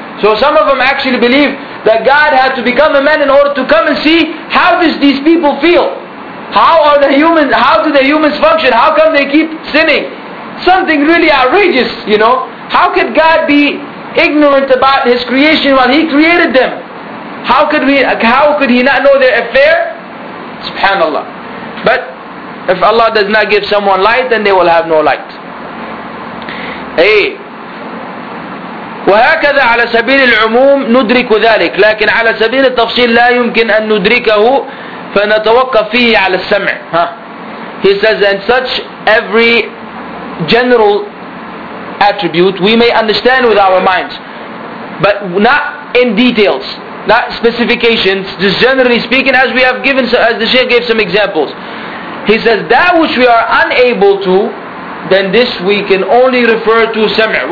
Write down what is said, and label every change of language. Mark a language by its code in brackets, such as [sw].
[en] So some of them actually believe that God had to become a man in order to come and see how does these people feel, how are the humans, how do the humans function, how come they keep sinning, something really outrageous, you know. How could God be ignorant about his creation while he created them? How could he not know their affair? Subhanallah. But if Allah does not give someone light, then they will have no light. Hey. [ar] وهكذا على سبيل العموم ندرك ذلك, لكن على سبيل التفصيل لا يمكن أن ندركه فنتوقف فيه على السمع. [en] He says, and such every general attribute we may understand with our minds, but not in details, not specifications, just generally speaking, as we have given, as the Shaykh gave some examples. He says that which we are unable to, then this we can only refer to sam'.